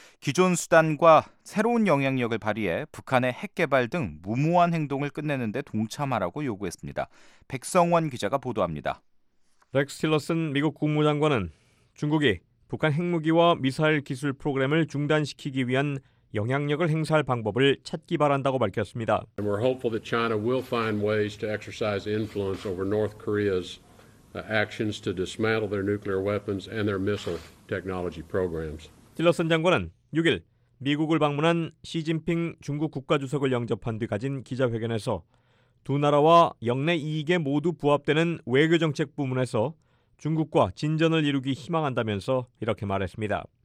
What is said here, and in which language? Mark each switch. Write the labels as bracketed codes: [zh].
[ko] 기존 수단과 새로운 영향력을 발휘해 북한의 핵개발 등 무모한 행동을 끝내는 데 동참하라고 요구했습니다. 백성원 기자가 보도합니다. 렉스 틸러슨 미국 국무장관은 중국이 북한 핵무기와 미사일 기술 프로그램을 중단시키기 위한 영향력을 행사할 방법을 찾기 바란다고 밝혔습니다. [en] We're hopeful that China will find ways to exercise influence over North Korea's actions to dismantle their nuclear weapons and their missile technology programs. [ko] 틸러슨 장관은 6일 미국을 방문한 시진핑 중국 국가주석을 영접한 뒤 가진 기자회견에서 두 나라와 역내 이익에 모두 부합되는 외교정책 부문에서 중국과 진전을 이루기 희망한다면서 이렇게 말했습니다.